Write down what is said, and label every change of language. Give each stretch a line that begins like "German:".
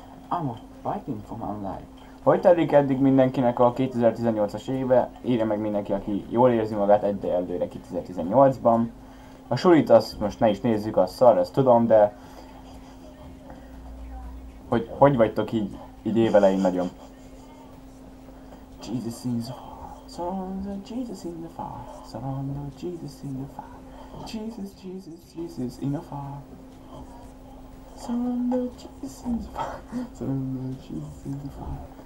English: I'm a fighting for my life.
Hungarian: Hogy telik eddig mindenkinek a 2018-as éve? Írja meg mindenki, aki jól érzi magát egyelőre 2018-ban. A sulit azt most ne is nézzük, az szar, ezt tudom, de... Hogy vagytok így évelején nagyon?
English: Jesus in the farm. Surrender Jesus in the fire. Surrender Jesus in the fire. Jesus, Jesus, Jesus in the fire. Surrender Jesus in the fire. Surrender Jesus in the fire.